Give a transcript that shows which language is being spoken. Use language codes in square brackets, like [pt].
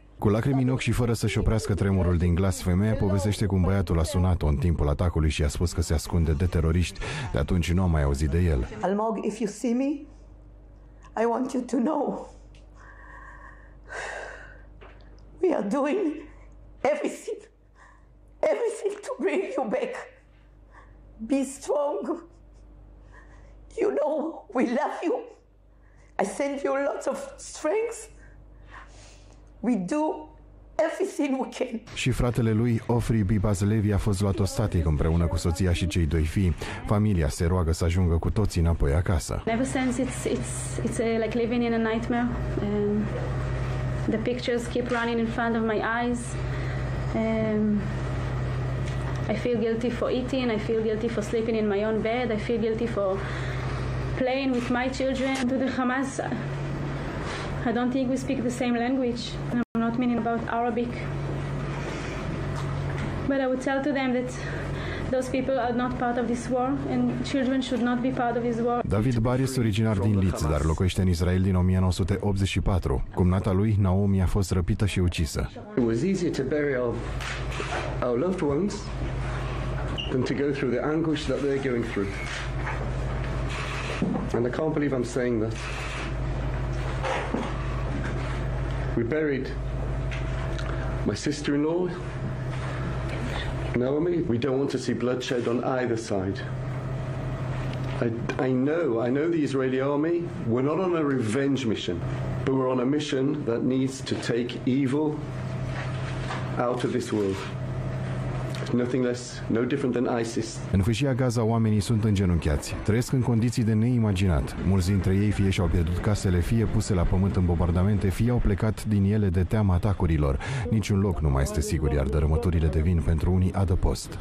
[ro] Cu lacrimi în ochi și fără să-și oprească tremurul din glas, femeia povestește cum băiatul a sunat-o în timpul atacului și a spus că se ascunde de teroriști. De atunci nu a mai auzit de el. [en] Almog, if you see me, I want you to know. We are doing everything. Everything to bring you back. Be strong. You know, we love you. I send you lots of strength. We do everything we can. [ro] Și fratele lui, Ofri Bibas Levi, a fost luat ostatic împreună cu soția și cei doi fii. Familia se roagă să ajungă cu toții înapoi acasă. [en] Ever since it's like living in a nightmare. The pictures keep running in front of my eyes. I feel guilty for eating, I feel guilty for sleeping in my own bed, I feel guilty for playing with my children. To the Hamas, I don't think we speak the same language. I'm not meaning about Arabic. But I would tell to them that those people are not part of this war and children should not be part of this war. [ro] David Bar este originar din Leeds, dar locuiește în Israel din 1984. Cumnata lui, Naomi, a fost răpită și ucisă. [en] It was easier to bury our loved ones than to go through the anguish that they're going through. And I can't believe I'm saying that. We buried my sister-in-law, Naomi. We don't want to see bloodshed on either side. I know the Israeli army. We're not on a revenge mission, but we're on a mission that needs to take evil out of this world. Nothing less, no different than ISIS. [ro] În fâșia Gaza, oamenii sunt îngenunchiați. Trăiesc în condiții de neimaginat. Mulți dintre ei fie și-au pierdut casele, fie puse la pământ în bombardamente, fie au plecat din ele de teama atacurilor. Niciun loc nu mai este sigur, iar dărâmăturile devin pentru unii adăpost.